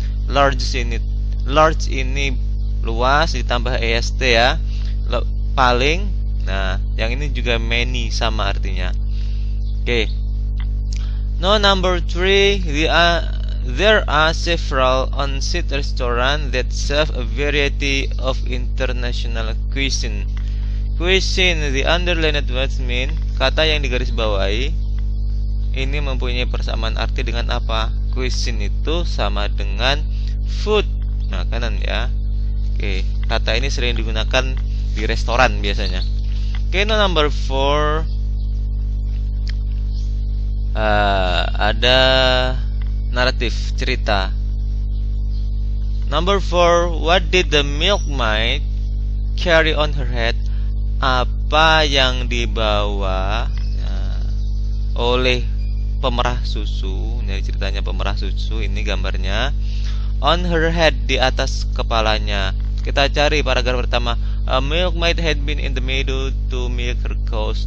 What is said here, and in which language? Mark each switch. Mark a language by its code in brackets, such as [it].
[id] Large ini luas ditambah EST ya. Paling. Nah, yang ini juga many, sama artinya. Oke. [en] No number 3, There are several on-site restaurants that serve a variety of international cuisine. [id] Cuisine, [en] the underlined words mean, [id] kata yang digarisbawahi ini mempunyai persamaan arti dengan apa? Cuisine itu sama dengan food, makanan ya. Oke, kata ini sering digunakan di restoran biasanya. [en] Oke, no number 4. [id] Ada naratif, cerita. [en] Number 4, what did the milkmaid carry on her head? [id] Apa yang dibawa oleh pemerah susu? Ini ceritanya pemerah susu, ini gambarnya. [en] On her head, [id] di atas kepalanya. Kita cari paragraf pertama. [en] A milkmaid had been in the meadow to milk her cows.